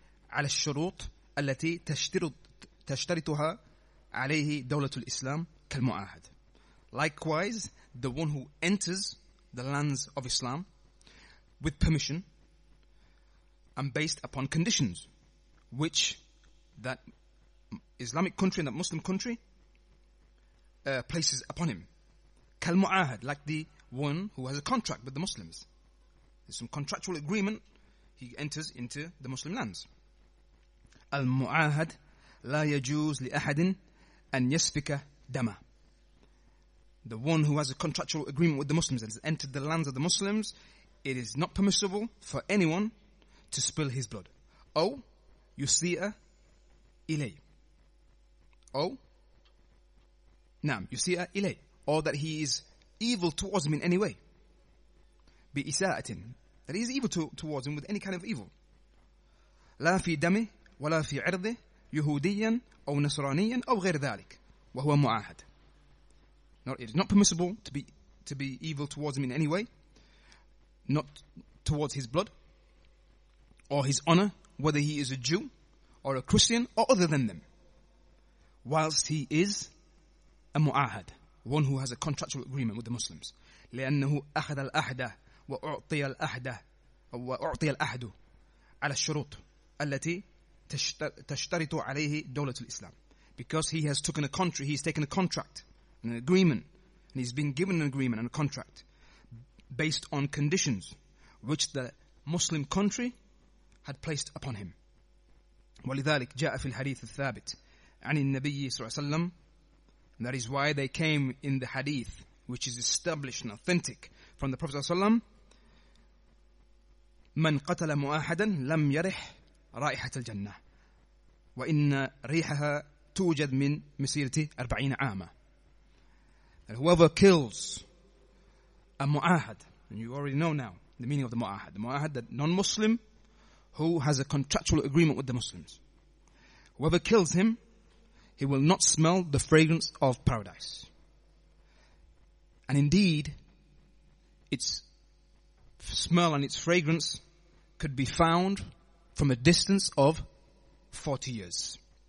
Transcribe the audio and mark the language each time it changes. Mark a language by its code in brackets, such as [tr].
[ar] على الشروط التي تشترطها عليه دولة الإسلام كالمعاهد. [en] Likewise, the one who enters the lands of Islam with permission and based upon conditions which that Islamic country and that Muslim country places upon him. كالمعاهد, like the one who has a contract with the Muslims. There's some contractual agreement, he enters into the Muslim lands. [ar] المعاهد لا يجوز لأحد أن يسفك دما. [en] The one who has a contractual agreement with the Muslims and has entered the lands of the Muslims, it is not permissible for anyone to spill his blood. [ar] أو يسيء إليه. أو نعم يسيء إليه. [en] Or that he is evil towards him in any way. [ar] بإساءة. [en] That he is evil towards him with any kind of evil. [ar] لا في دمه ولا في عرضه يهوديا أو نصرانيا أو غير ذلك وهو معاهد. [en] Now, it is not permissible to be evil towards him in any way, not towards his blood or his honor, whether he is a Jew or a Christian or other than them, whilst he is a معاهد, one who has a contractual agreement with the Muslims. [ar] لأنه أخذ الأحدة وأعطي الأحدة وأعطي الأحد على الشروط التي تشترط عليه دولة الإسلام. [en] Because he has taken a contract, he's taken a contract, an agreement, and he's been given an agreement and a contract based on conditions which the Muslim country had placed upon him. [ar] ولذلك جاء في الحديث الثابت عن النبي صلى الله عليه وسلم. [en] That is why they came in the hadith which is established and authentic from the Prophet [ar] صلى الله عليه وسلم. من قتل مؤاحدا لم يرح رائحة الجنة وإن ريحها توجد من مسيرة 40 عاما. [en] And whoever kills a mu'ahad, And you already know now the meaning of the mu'ahad. The mu'ahad, that non-Muslim who has a contractual agreement with the Muslims, whoever kills him, he will not smell the fragrance of paradise. And indeed, its smell and its fragrance could be found from a distance of 40 years.